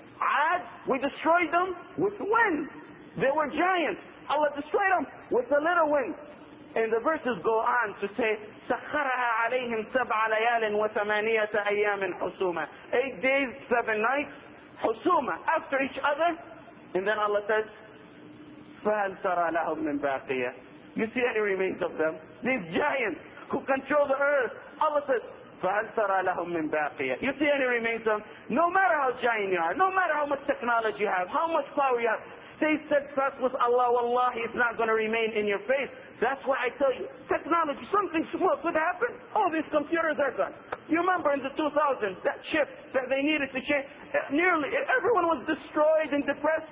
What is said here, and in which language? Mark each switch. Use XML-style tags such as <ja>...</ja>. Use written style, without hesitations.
<en>Ad, we destroyed them with wind. They were giants. Allah destroyed them with a little wind. And the verses go on to say,</en> <ar>سَخَّرَهَا عَلَيْهِمْ سَبْعَ لَيَالٍ وَثَمَانِيَةَ أَيَّامٍ حُسُومًا.</ar> <en>8 days, 7 nights, حُسُومًا, after each other. And then Allah says,</en> <ar>فَهَلْ تَرَى لَهُمْ مِنْ بَاقِيَةٍ.</ar> <en>You see any remains of them? These giants who control the earth. Allah says,</en> <ar>فَهَلْ تَرَى لَهُمْ مِنْ بَاقِيَةٍ.</ar> <en>You see any remains of them? No matter how giant you are, no matter how much technology you have, how much power you have, stay steadfast with Allah. Wallahi, it's not going to remain in your face. That's why I tell you, technology, something small could happen. All these computers are gone. You remember in the 2000s, that chip that they needed to change, nearly everyone was destroyed and depressed.</en>